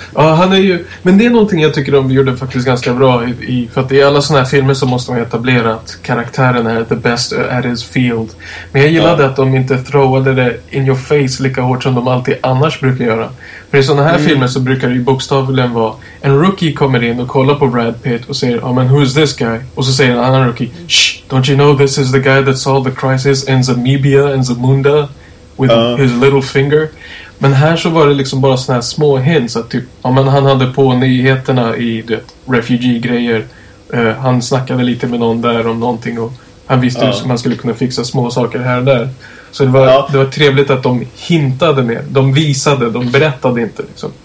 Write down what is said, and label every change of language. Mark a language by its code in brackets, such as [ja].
[sv] Ja, han är ju, men det är någonting jag tycker de gjorde faktiskt ganska bra i, för att i alla såna här filmer så måste man etablera att karaktären är [en] the best at his field. [sv] Men jag gillade att de inte throwade det [en] in your face [sv] lika hårt som de alltid annars brukar göra. För i såna här filmer så brukar det ju bokstavligen vara en rookie kommer in och kollar på Brad Pitt och säger, oh, men [en] who's this guy? [sv] Och så säger en annan [en] rookie, shh, don't you know this is the guy that solved the crisis in Zamibia and Zamunda with his little finger? [sv] Men här så var det liksom bara såna här små hints att typ, ja, men han hade på nyheterna i, du vet, refugee-grejer. Han snackade lite med någon där om någonting och han visste hur man skulle kunna fixa små saker här och där. Så det var, det var trevligt att de hintade med, de visade, de berättade inte liksom.